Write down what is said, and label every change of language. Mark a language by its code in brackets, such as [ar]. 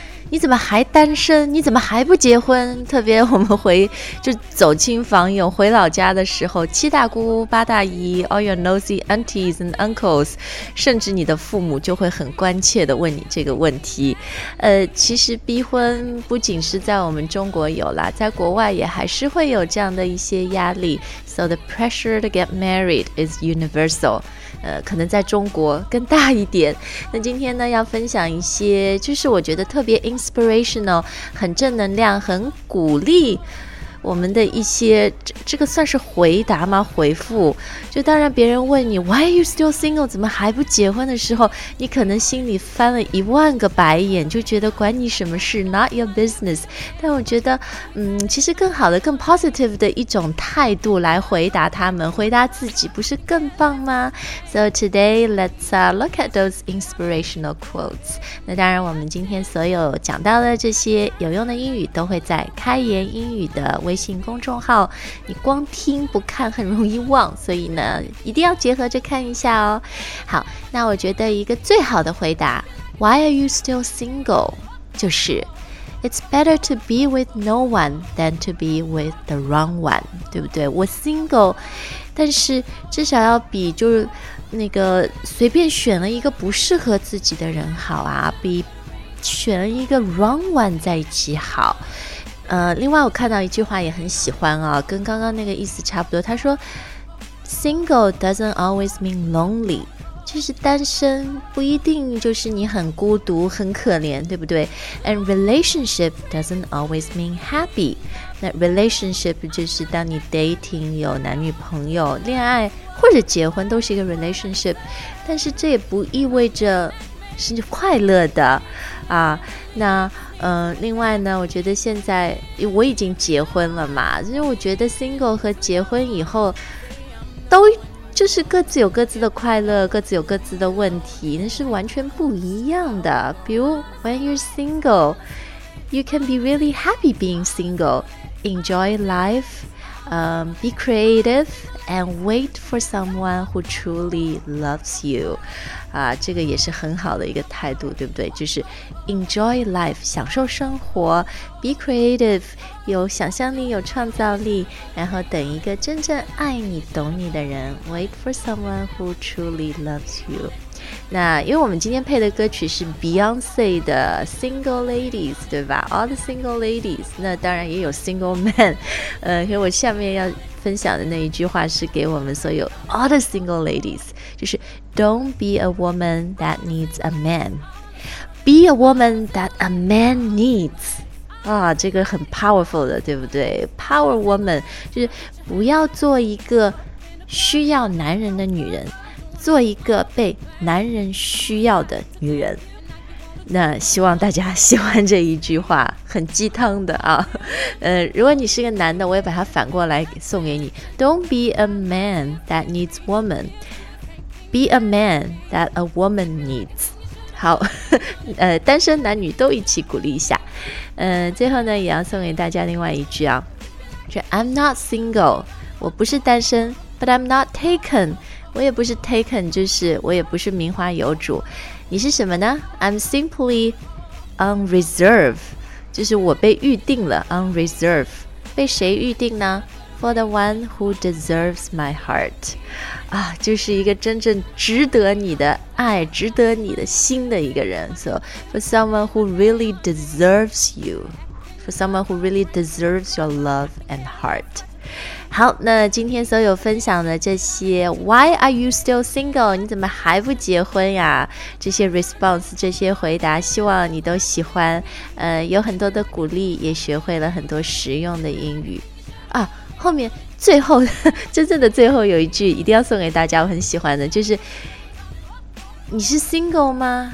[zh] 你怎么还单身？你怎么还不结婚？特别我们回就走亲访友回老家的时候，七大姑八大姨 [en] All your nosy aunties and uncles， [zh] 甚至你的父母就会很关切地问你这个问题。其实逼婚不仅是在我们中国有啦，在国外也还是会有这样的一些压力。 [en] So the pressure to get married is universal. [zh] 可能在中国更大一点。那今天呢，要分享一些，就是我觉得特别 inspirational， 很正能量，很鼓励我们的一些，这个算是回答吗？回复。就当然别人问你 [en] Why are you still single? [zh] 怎么还不结婚的时候，你可能心里翻了一万个白眼，就觉得管你什么事， [en] Not your business。 [zh] 但我觉得其实更好的，更 positive 的一种态度来回答他们，回答自己，不是更棒吗？ [en] So today let's look at those inspirational quotes。 [zh] 那当然我们今天所有讲到的这些有用的英语都会在开言英语的微信公众号，你光听不看很容易忘，所以呢一定要结合着看一下哦。好，那我觉得一个最好的回答 [en] Why are you still single? [zh] 就是 [en] It's better to be with no one than to be with the wrong one， [zh] 对不对？我 single， 但是至少要比就是那个随便选了一个不适合自己的人好啊，比选了一个 wrong one 在一起好。另外我看到一句话也很喜欢啊，跟刚刚那个意思差不多。他说 ， [en] Single doesn't always mean lonely， [zh] 就是单身不一定就是你很孤独、很可怜，对不对 ？ [en] And relationship doesn't always mean happy。 [zh] 那 relationship 就是当你 dating 有男女朋友、恋爱或者结婚都是一个 relationship， 但是这也不意味着是快乐的啊。那另外呢，我觉得现在我已经结婚了嘛，所以我觉得 single 和结婚以后都就是各自有各自的快乐，各自有各自的问题，那是完全不一样的。比如 [en] when you're single you can be really happy being single, enjoy life, be creativeAnd wait for someone who truly loves you. [zh] 这个也是很好的一个态度，对不对？就是 [en] enjoy life, [zh] 享受生活， [en] be creative, [zh] 有想象力，有创造力，然后等一个真正爱你，懂你的人， [en] wait for someone who truly loves you. [zh] 那因为我们今天配的歌曲是 Beyonce 的 Single Ladies, 对吧？ [en] All the single ladies, [zh] 那当然也有 [en] single men, [zh] 因为我下面要分享的那一句话是给我们所有 [en] all the single ladies， 就是 Don't be a woman that needs a man, be a woman that a man needs。 [zh] 这个很 powerful 的，对不对？Power woman 就是不要做一个需要男人的女人，做一个被男人需要的女人。那希望大家喜欢这一句话，很鸡汤的啊。如果你是个男的，我也把它反过来送给你。 [en] Don't be a man that needs woman. Be a man that a woman needs. [zh] 好，单身男女都一起鼓励一下。最后呢，也要送给大家另外一句啊，就 [en] I'm not single， [zh] 我不是单身 ， [en] but I'm not taken， [zh] 我也不是 taken， 就是我也不是名花有主。你是什么呢？ [en] I'm simply on reserve， [zh] 就是我被预定了。 [en] On reserve [zh] 被谁预定呢？ [en] For the one who deserves my heart， [zh] 就是一个真正值得你的爱，值得你的心的一个人。 [en] So for someone who really deserves you， for someone who really deserves your love and heart。 [zh] 好，那今天所有分享的这些 [en] Why are you still single? [zh] 你怎么还不结婚呀？这些 response， 这些回答，希望你都喜欢。有很多的鼓励，也学会了很多实用的英语啊。后面最后真正的最后有一句一定要送给大家，我很喜欢的，就是你是 single 吗？